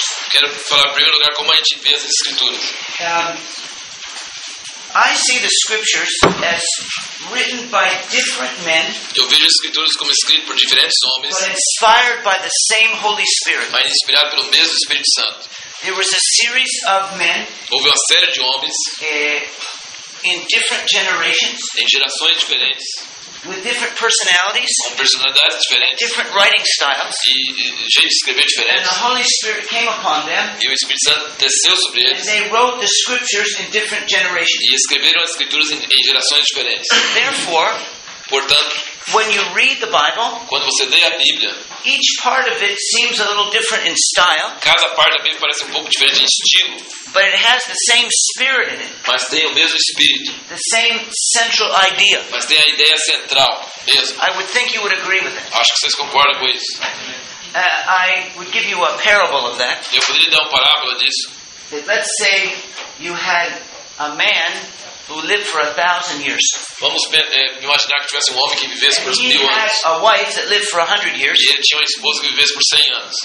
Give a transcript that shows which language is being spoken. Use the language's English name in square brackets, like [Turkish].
[Portuguese] Quero falar em primeiro lugar como a gente vê as escrituras. [English] I see the scriptures as written by different men. [Portuguese] Eu vejo as escrituras como escritas por diferentes homens. [English] But inspired by the same Holy Spirit. [Portuguese] Mas inspirado pelo mesmo Espírito Santo. [English] There was a series of men. [Portuguese] Houve uma série de homens. [English] In different generations. [Portuguese] Em gerações diferentes. [English] With different personalities. [Portuguese] Com personalidades diferentes. [English] Different writing styles. [Portuguese] E jeito de escrever diferente. [English] And the Holy Spirit came upon them. [Portuguese] E o Espírito Santo desceu sobre eles. [English] And they wrote the scriptures in different generations. [Portuguese] E escreveram as escrituras em gerações diferentes. [English] Therefore, [Portuguese] portanto, [English] when you read the Bible, [Portuguese] quando você lê a Bíblia, [English] each part of it seems a little different in style. [Portuguese] Cada parte da Bíblia parece um pouco diferente em estilo. [English] But it has the same spirit in it. [Portuguese] Mas tem o mesmo espírito. [English] The same central idea. [Portuguese] Mas tem a ideia central mesmo. [English] I would think you would agree with that. [Portuguese] Acho que vocês concordam com isso. [English] I would give you a parable of that. [Portuguese] Eu poderia dar uma parábola disso. [English] But let's say you had a man who lived for 1,000 years. [Portuguese] Vamos imaginar que tivesse um homem que vivesse por 1,000 anos. [English] A wife that lived for 100 years. [Portuguese] E ele tinha uma esposa que vivesse por 100 anos.